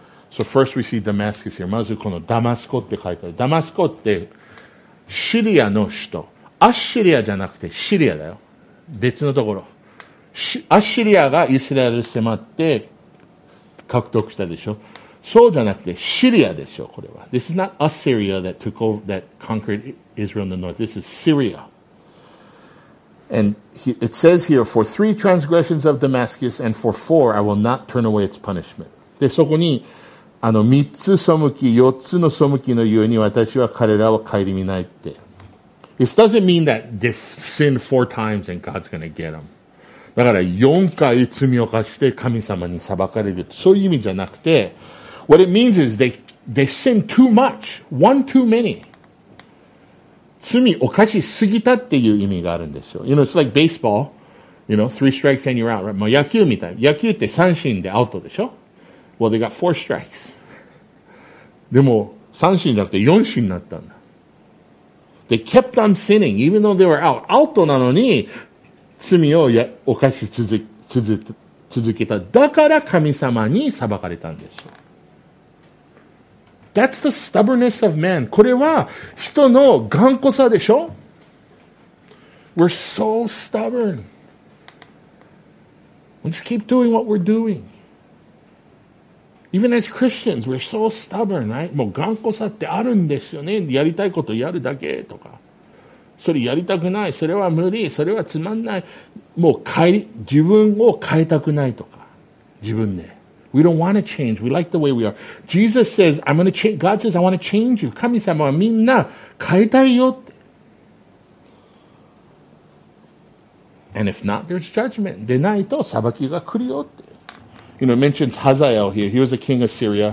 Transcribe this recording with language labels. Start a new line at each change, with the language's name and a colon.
English: So first we see Damascus here.
Japanese: まずこのダマスコって書いてある。ダマスコってシリアの首都。アッシリアじゃなくてシリアだよ。別のところ。アッシリアがイスラエルに迫って獲得したでしょ。そうじゃなくてシリアでしょ、これは。
English: This is not Assyria that took over, that conquered Israel in the north. This is Syria. And it says here, for three transgressions of Damascus and for four, I will not turn away its punishment.
Japanese: で、そこに、三つ背き、四つの背きのゆえに私は彼らを顧みないって。
English: This doesn't mean that they sinned four times and God's going to get them.
Japanese: だから4回罪を犯して神様に裁かれる。そういう意味じゃなくて、
English: What it means is they sinned too much. One too many.
Japanese: 罪を犯しすぎたっていう意味があるんですよ。
English: You know, it's like baseball. You know, three strikes and you're out. Right? もう
Japanese: 野球みたい。野球って三振でアウトでしょ。
English: Well, they got four strikes.
Japanese: でも、三振じゃなくて四振になったんだ。
English: They kept on sinning, even though they were out.
Japanese: アウトなのに、罪を犯し続けた。だから神様に裁かれたんです。
English: That's the stubbornness of man.
Japanese: これは人の頑固さでしょ?
English: We're so stubborn. We just keep doing what we're doing. Even as Christians, we're so stubborn, right?
Japanese: もう頑固さってあるんですよね。やりたいことやるだけとか。それやりたくない。それは無理。それはつまんない。もう変え、自分を変えたくないとか。自分で。
English: We don't want to change. We like the way we are. Jesus says, I'm going to change. God says, I want to change you.
Japanese: 神様はみんな変えたいよって。
English: And if not, there's judgment.
Japanese: でないと裁きが来るよって。
English: You know, it mentions Hazael here. He was a king of Syria.